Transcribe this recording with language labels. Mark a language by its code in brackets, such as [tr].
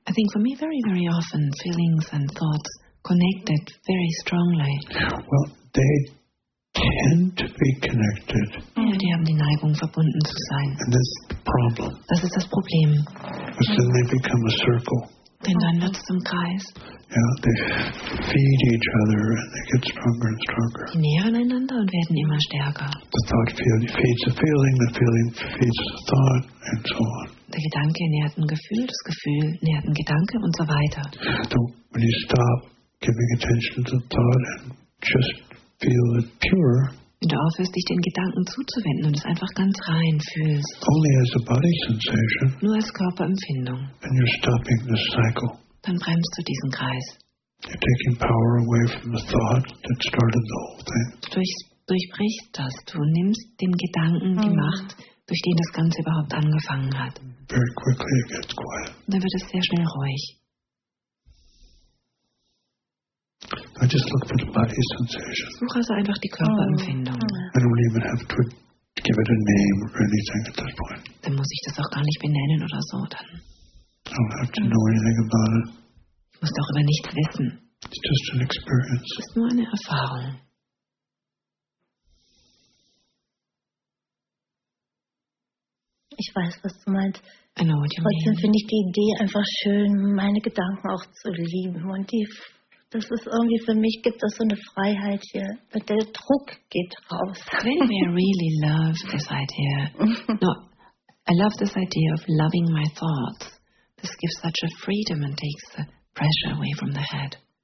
[en] I think for me very, very often feelings and thoughts connected very strongly. Well, they tend to be connected. [de] Ja, die haben die Neigung, verbunden zu sein. [en] And that's the problem. [de] Das ist das Problem. [en] Because then they become a circle. [de] Denn dann wird es zum Kreis. [en] Yeah, they feed each other and they get stronger and stronger. [de] Sie nähren einander und werden immer stärker. [en] The thought feeds the feeling feeds the thought, and so on. [de] Der Gedanke nährt ein Gefühl, das Gefühl nährt ein Gedanke und so weiter. [en] So, when you stop giving attention to the thought and just feel it pure. [de] Wenn du aufhörst, dich den Gedanken zuzuwenden und es einfach ganz rein fühlst. [en] Only as a body sensation. [de] Nur als Körperempfindung. [en] And you're stopping this cycle. [de] Dann bremst du diesen Kreis. [en] You're taking power away from the thought that started the whole thing. [de] Durchbrichst das. Du nimmst dem Gedanken die Macht, durch den das Ganze überhaupt angefangen hat. [en] Very quickly it gets quiet. [de] Dann wird es sehr schnell ruhig. [en] I just look for the body sensation. [de] Such also einfach die Körperempfindung. [en] I don't even have to give it a name or anything at that point. [de] Dann muss ich das auch gar nicht benennen oder so dann. [en] I don't have to know anything about it. [de] Ich muss doch über nichts wissen. [en] It's just an experience. [de] Es ist nur eine Erfahrung. Ich weiß, was du meinst. [en] I know what you mean. [de] Trotzdem finde ich die Idee einfach schön, meine Gedanken auch zu lieben. Und die, das ist irgendwie für mich, gibt das so eine Freiheit hier. Der Druck geht raus. [en] When I really love this idea. No, I love this idea of loving my thoughts. This gives such a freedom and takes the pressure away from the head.